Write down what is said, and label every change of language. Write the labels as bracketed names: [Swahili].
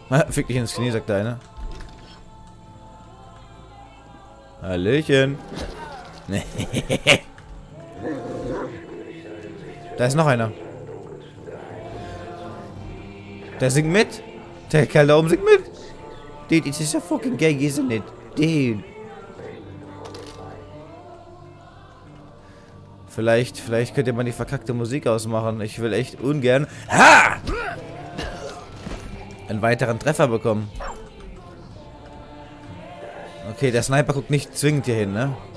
[German] Fick dich ins Knie, sagt der eine. Hallöchen. Da ist noch einer. Der singt mit. Der Kerl da oben singt mit. [English] Dude, it's just a fucking gang, isn't it? Dude. [German] Vielleicht könnt ihr mal die verkackte Musik ausmachen. Ich will echt ungern... Ha! ...einen weiteren Treffer bekommen. Okay, der Sniper guckt nicht zwingend hier hin, ne?